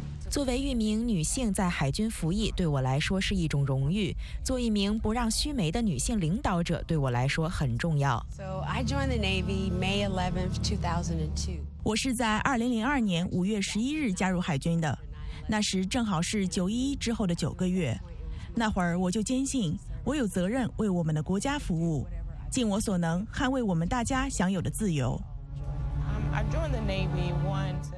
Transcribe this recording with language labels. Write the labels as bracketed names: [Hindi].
[Chinese] 作为一名女性在海军服役，对我来说是一种荣誉。做一名不让须眉的女性领导者，对我来说很重要。 [English] So I joined the Navy May 11th, 2002. [Chinese] 我是在2002年5月11日加入海军的，那时正好是911之后的9个月。那会儿我就坚信，我有责任为我们的国家服务，尽我所能捍卫我们大家享有的自由。 [English] I joined the Navy one.